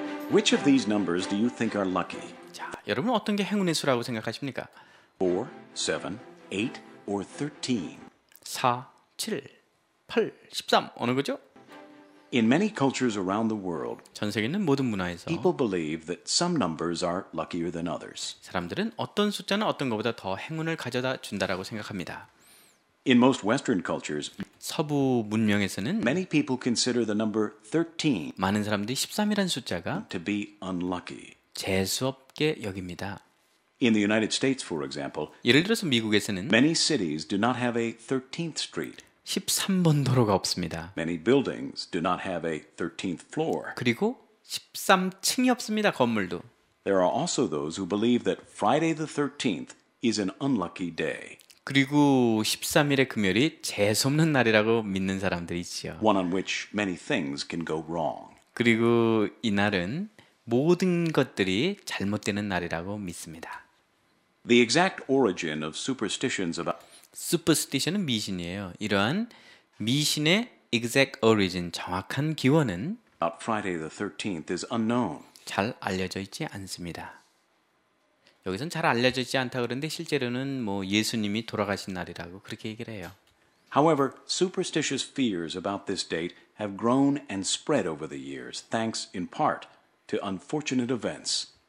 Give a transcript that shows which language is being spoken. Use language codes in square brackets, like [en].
[en] Which of these numbers do you think are lucky? [ko] 자, 여러분 어떤 게 행운의 수라고 생각하십니까? [en] 4, 7, 8 or 13. [ko] 4, 7, 8, 13. 어느 거죠? [en] In many cultures around the world, [ko] 전 세계는 모든 문화에서 [en] people believe that some numbers are luckier than others. [ko] 사람들은 어떤 숫자는 어떤 것보다 더 행운을 가져다 준다라고 생각합니다. [en] In most Western cultures, [ko] 서부 문명에서는 [en] many people consider the number 13 [ko] 많은 사람들이 13이라는 숫자가 [en] to be unlucky [ko] 재수없게 여깁니다. [en] In the United States, for example, [ko] 예를 들어서 미국에서는 [en] many cities do not have a 13th street. [ko] 13번 도로가 없습니다. [en] Many buildings do not have a 13th floor. [ko] 그리고 13층이 없습니다. 건물도. [en] There are also those who believe that Friday the 13th is an unlucky day. [ko] 그리고 13일의 금요일이 재수 없는 날이라고 믿는 사람들이 있지요. [en] One on which many things can go wrong. [ko] 그리고 이날은 모든 것들이 잘못되는 날이라고 믿습니다. [en] The exact origin of superstitions about [ko] superstition은 미신이에요. 이러한 미신의 [en] exact origin, [ko] 정확한 기원은 [en] About Friday the 13th is unknown. [ko] 잘 알려져 있지 않습니다. 여기선 잘 알려져 있지 않다 그러는데 실제로는 뭐 예수님이 돌아가신 날이라고 그렇게 얘기를 해요. [en] However, superstitious fears about this date have grown and spread over the years, thanks in part to unfortunate events.